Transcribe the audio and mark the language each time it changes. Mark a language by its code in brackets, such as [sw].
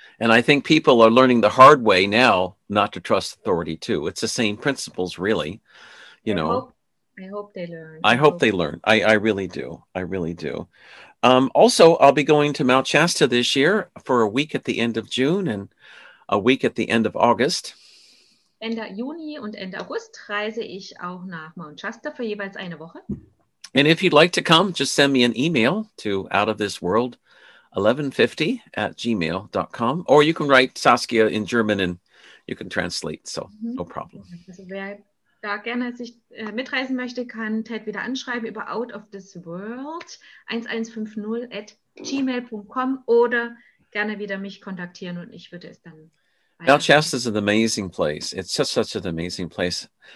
[en] And I think people are learning the hard way now not to trust authority too. It's the same principles, really. I hope they learn. I really do. Also, I'll be going to Mount Shasta this year for a week at the end of June and a week at the end of August. [de] Ende Juni und Ende August reise ich auch nach Mount Shasta für jeweils eine Woche. [en] And if you'd like to come, just send me an email to outofthisworld1150@gmail.com, or you can write Saskia in German and you can translate, so no problem. [de] Also wer da gerne sich mitreisen möchte, kann Ted wieder anschreiben über outofthisworld1150@gmail.com oder gerne wieder mich kontaktieren und ich würde es dann. [en] Mount Shasta is an amazing place. It's just such an amazing place.